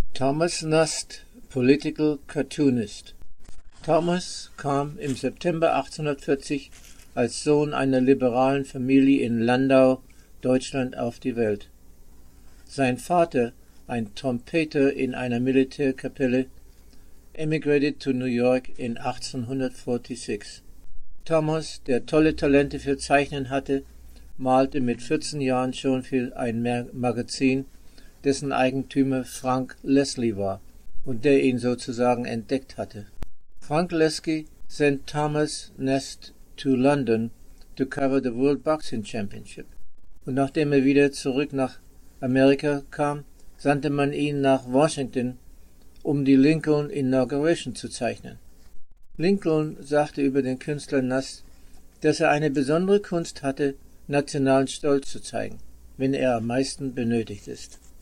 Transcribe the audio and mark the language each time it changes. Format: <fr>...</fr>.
<en>Thomas Nast, political cartoonist.</en> <de>Thomas kam im September 1840 als Sohn einer liberalen Familie in Landau, Deutschland, auf die Welt. Sein Vater, ein Trompeter in einer Militärkapelle,</de> <en>emigrated to New York in 1846.</en> <de>Thomas, der tolle Talente für Zeichnen hatte, malte mit 14 Jahren schon für ein Magazin, dessen Eigentümer Frank Leslie war und der ihn sozusagen entdeckt hatte.</de> <en>Frank Leslie sent Thomas Nast to London to cover the World Boxing Championship.</en> <de>Und nachdem er wieder zurück nach Amerika kam, sandte man ihn nach Washington, um die Lincoln Inauguration zu zeichnen. Lincoln sagte über den Künstler Nast, dass er eine besondere Kunst hatte, nationalen Stolz zu zeigen, wenn er am meisten benötigt ist.</de>